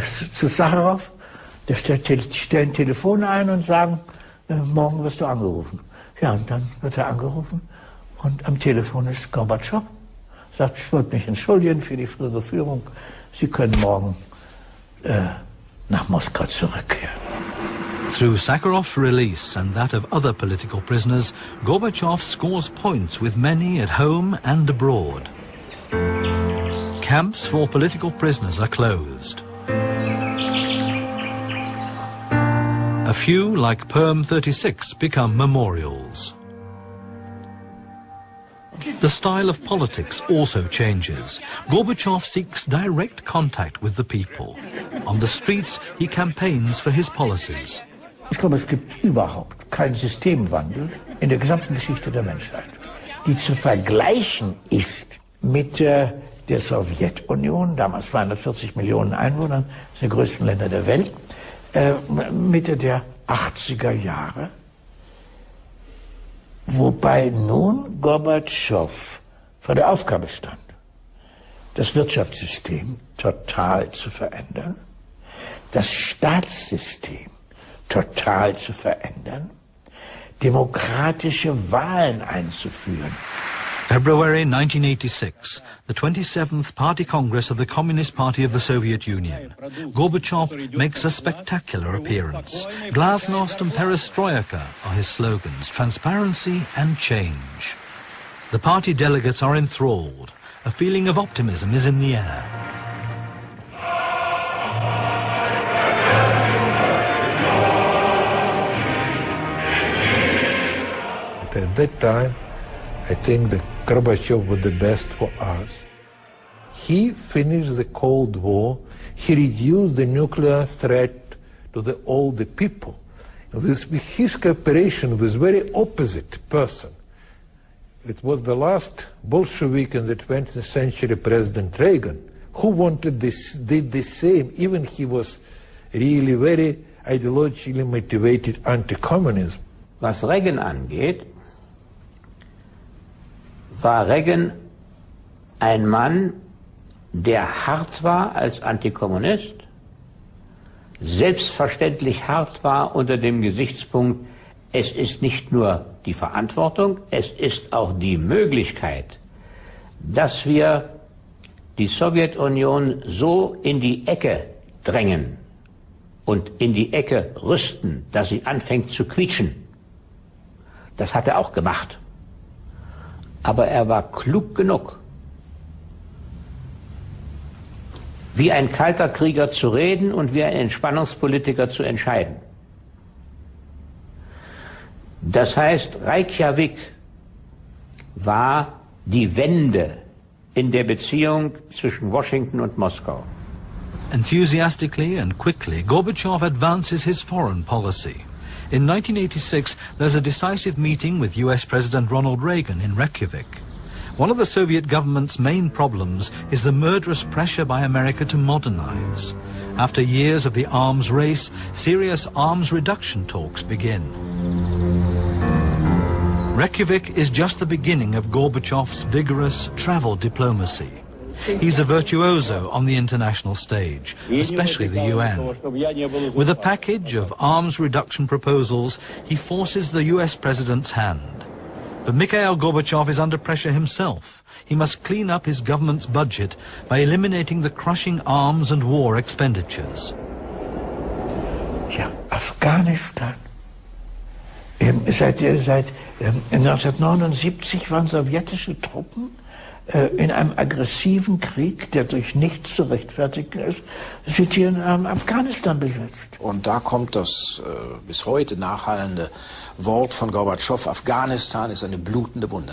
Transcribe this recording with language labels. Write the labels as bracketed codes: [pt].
[de] Zu Sacharow, der stellt stellen Telefone ein und sagen, morgen wirst du angerufen. Ja, und dann wird er angerufen und am Telefon ist Gorbatschow. Sagt, ich wollte mich entschuldigen für die frühere Führung. Sie können morgen nach Moskau zurückkehren. [en] Through Sakharov's release and that of other political prisoners, Gorbatschow scores points with many at home and abroad. Camps for political prisoners are closed. A few, like Perm 36, become memorials. The style of politics also changes. Gorbachev seeks direct contact with the people. On the streets, he campaigns for his policies. [de] Ich glaube, es gibt überhaupt keinen Systemwandel in der gesamten Geschichte der Menschheit, die zu vergleichen ist mit der Sowjetunion, damals 240 Millionen Einwohner, der größten Länder der Welt, Mitte der 80er Jahre, wobei nun Gorbatschow vor der Aufgabe stand, das Wirtschaftssystem total zu verändern, das Staatssystem total zu verändern, demokratische Wahlen einzuführen. [en] February 1986, the 27th Party Congress of the Communist Party of the Soviet Union. Gorbachev makes a spectacular appearance. Glasnost and perestroika are his slogans, transparency and change. The party delegates are enthralled. A feeling of optimism is in the air. At that time, I think that Gorbachev was the best for us. He finished the Cold War. He reduced the nuclear threat to all the people. With his cooperation with very opposite person. It was the last Bolshevik in the 20th century, President Reagan, who wanted this, did the same, even he was really very ideologically motivated anti-communism. [de] Was Reagan angeht, war Reagan ein Mann, der hart war als Antikommunist, selbstverständlich hart war unter dem Gesichtspunkt, es ist nicht nur die Verantwortung, es ist auch die Möglichkeit, dass wir die Sowjetunion so in die Ecke drängen und in die Ecke rüsten, dass sie anfängt zu quietschen. Das hat er auch gemacht. Aber er war klug genug, wie ein kalter Krieger zu reden und wie ein Entspannungspolitiker zu entscheiden. Das heißt, Reykjavik war die Wende in der Beziehung zwischen Washington und Moskau. [en] Enthusiastically and quickly, Gorbachev advances his foreign policy. In 1986, there's a decisive meeting with U.S. President Ronald Reagan in Reykjavik. One of the Soviet government's main problems is the murderous pressure by America to modernize. After years of the arms race, serious arms reduction talks begin. Reykjavik is just the beginning of Gorbachev's vigorous travel diplomacy. He's a virtuoso on the international stage, especially the UN. With a package of arms reduction proposals, he forces the US president's hand. But Mikhail Gorbachev is under pressure himself. He must clean up his government's budget by eliminating the crushing arms and war expenditures. Yeah, Afghanistan. [de] Seit 1979 waren sowjetische Truppen in einem aggressiven Krieg, der durch nichts zu rechtfertigen ist, sind hier in Afghanistan besetzt. Und da kommt das bis heute nachhallende Wort von Gorbatschow, Afghanistan ist eine blutende Wunde.